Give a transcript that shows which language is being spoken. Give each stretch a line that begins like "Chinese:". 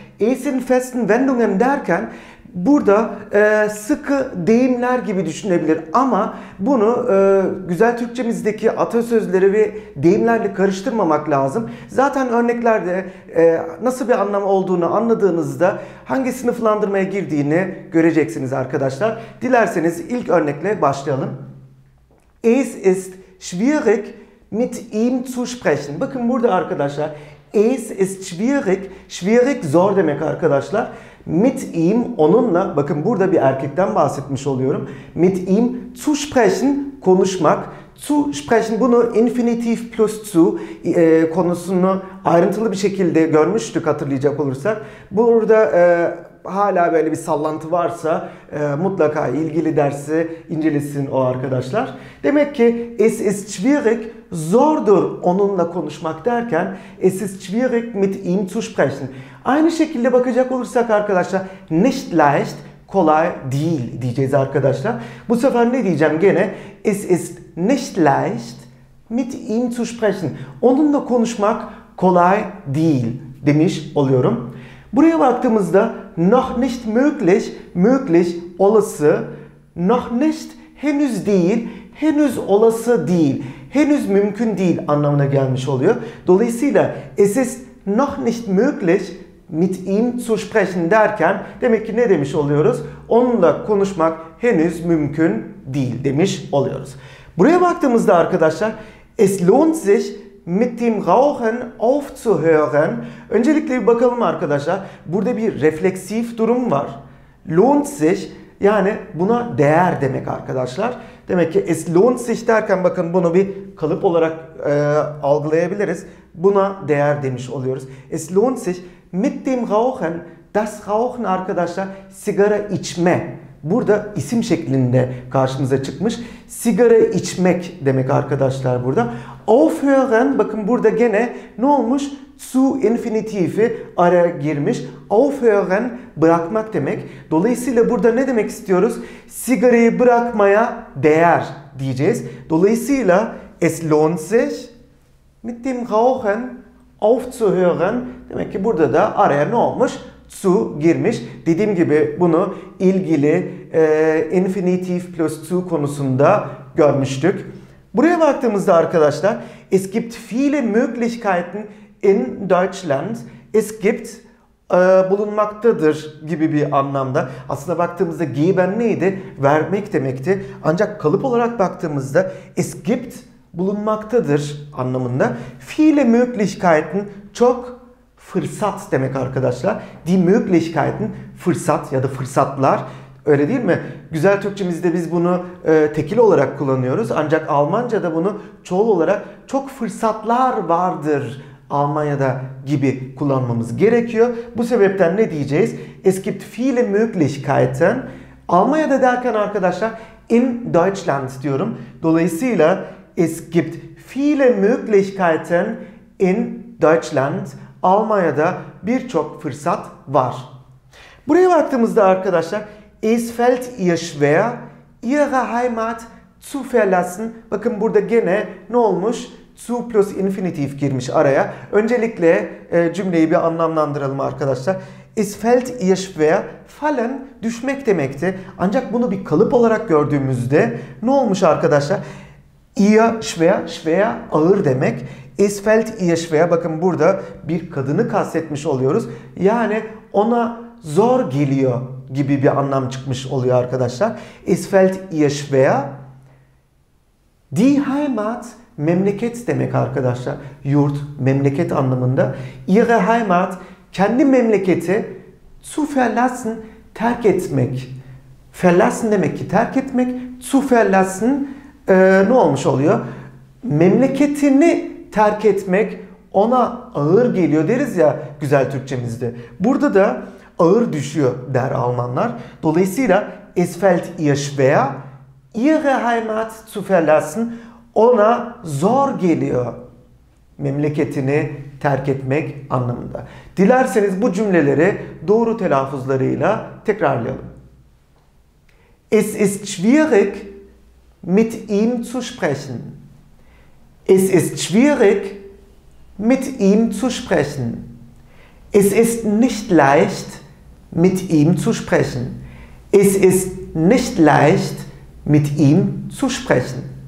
Turkish: Es in festen Wendungen derken burada sıkı deyimler gibi düşünebilir ama bunu güzel Türkçemizdeki atasözleri ve deyimlerle karıştırmamak lazım. Zaten örneklerde nasıl bir anlam olduğunu anladığınızda hangi sınıflandırmaya girdiğini göreceksiniz arkadaşlar. Dilerseniz ilk örnekle başlayalım.
German: Es ist schwierig mit ihm zu sprechen.
Turkish: Bakın burada arkadaşlar
German: es ist schwierig,
Turkish: schwierig zor demek arkadaşlar.
German: Mit ihm
Turkish: onunla, bakın burada bir erkekten bahsetmiş oluyorum.
German: Mit ihm zu sprechen
Turkish: konuşmak. Zu sprechen bunu infinitive plus zu konusunu ayrıntılı bir şekilde görmüştük hatırlayacak olursak. Burada hala böyle bir sallantı varsa mutlaka ilgili dersi incelesin o arkadaşlar. Demek ki
German: es ist schwierig,
Turkish: zordur onunla konuşmak derken
German: es ist schwierig mit ihm zu sprechen.
Turkish: Aynı şekilde bakacak olursak arkadaşlar
German: nicht leicht,
Turkish: kolay değil diyeceğiz arkadaşlar. Bu sefer ne diyeceğim gene?
German: Es ist nicht leicht mit ihm zu sprechen.
Turkish: Onunla konuşmak kolay değil demiş oluyorum. Buraya baktığımızda
German: noch nicht möglich,
Turkish: möglich olası, noch nicht henüz değil, henüz olası değil, henüz mümkün değil anlamına gelmiş oluyor.
German: Dolayısıyla es ist noch nicht möglich mit ihm zu sprechen
Turkish: derken demek ki ne demiş oluyoruz? Onunla konuşmak henüz mümkün değil demiş oluyoruz. Buraya baktığımızda arkadaşlar
German: es lohnt sich mit dem Rauchen aufzuhören.
Turkish: Öncelikle bir bakalım arkadaşlar. Burada bir refleksif durum var.
German: Lohnt sich,
Turkish: yani buna değer demek arkadaşlar. Demek ki
German: es lohnt sich
Turkish: derken bakın bunu bir kalıp olarak algılayabiliriz. Buna değer demiş oluyoruz.
German: Es lohnt sich mit dem Rauchen, das Rauchen
Turkish: arkadaşlar, sigara içme. Burada isim şeklinde karşımıza çıkmış. Sigara içmek demek arkadaşlar burada. Aufhören, bakın burada gene ne olmuş? Zu infinitifi araya girmiş. Aufhören, bırakmak demek. Dolayısıyla burada ne demek istiyoruz? Sigarayı bırakmaya değer diyeceğiz.
German: Dolayısıyla es lohnt sich mit dem Rauchen aufzuhören.
Turkish: Demek ki burada da araya ne olmuş? Zu girmiş. Dediğim gibi bunu ilgili infinitive plus zu konusunda görmüştük. Buraya baktığımızda arkadaşlar
German: es gibt viele Möglichkeiten in Deutschland. Es gibt
Turkish: bulunmaktadır gibi bir anlamda. Aslında baktığımızda geben neydi? Vermek demekti. Ancak kalıp olarak baktığımızda
German: es gibt
Turkish: bulunmaktadır anlamında.
German: Viele Möglichkeiten
Turkish: çok fırsat demek arkadaşlar. Die Möglichkeiten fırsat ya da fırsatlar. Öyle değil mi? Güzel Türkçemizde biz bunu tekil olarak kullanıyoruz. Ancak Almanca'da bunu çoğul olarak çok fırsatlar vardır Almanya'da gibi kullanmamız gerekiyor. Bu sebepten ne diyeceğiz?
German: Es gibt viele Möglichkeiten.
Turkish: Almanya'da derken arkadaşlar in Deutschland diyorum.
German: Dolayısıyla es gibt viele Möglichkeiten in Deutschland.
Turkish: Almanya'da birçok fırsat var. Buraya baktığımızda arkadaşlar
German: es fällt ihr schwer, ihre Heimat zu verlassen.
Turkish: Bakın burada gene ne olmuş? Zu plus infinitiv girmiş araya. Öncelikle cümleyi bir anlamlandıralım arkadaşlar.
German: Es fällt ihr schwer, fallen
Turkish: düşmek demekti. Ancak bunu bir kalıp olarak gördüğümüzde ne olmuş arkadaşlar?
German: Ihr schwer, schwer
Turkish: ağır demek.
German: Es fällt ihr schwer,
Turkish: bakın burada bir kadını kastetmiş oluyoruz. Yani ona zor geliyor gibi bir anlam çıkmış oluyor arkadaşlar.
German: Es fällt ihr schwer. Die Heimat,
Turkish: memleket demek arkadaşlar. Yurt, memleket anlamında.
German: Ihre Heimat,
Turkish: kendi memleketi
German: zu verlassen,
Turkish: terk etmek. Verlassen demek ki terk etmek.
German: Zu verlassen
Turkish: ne olmuş oluyor? Memleketini terk etmek ona ağır geliyor deriz ya güzel Türkçemizde. Burada da ağır düşüyor der Almanlar.
German: Dolayısıyla es fällt ihr schwer, ihre Heimat zu verlassen.
Turkish: Ona zor geliyor memleketini terk etmek anlamında. Dilerseniz bu cümleleri doğru telaffuzlarıyla tekrarlayalım.
German: Es ist schwierig mit ihm zu sprechen. Es ist schwierig mit ihm zu sprechen. Es ist nicht leicht mit ihm zu sprechen. Es ist nicht leicht mit ihm zu sprechen.